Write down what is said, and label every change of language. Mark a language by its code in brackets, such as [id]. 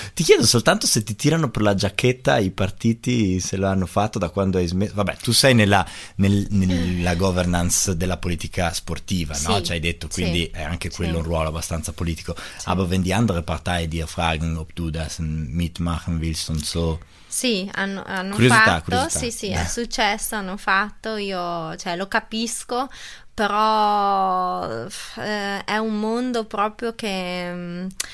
[it] Ti chiedo soltanto se ti tirano per la giacchetta i partiti, se lo hanno fatto da quando hai smesso, vabbè, tu sei nella governance della politica sportiva, sì, no? Ci hai detto, quindi sì, è anche quello, sì, un ruolo abbastanza politico. Sì. [de] Aber wenn die andere Partei dir fragen, ob du das mitmachen willst und so. [it] Sì, hanno fatto, sì, sì, è successo, hanno fatto, io, cioè, lo capisco, però è un mondo proprio che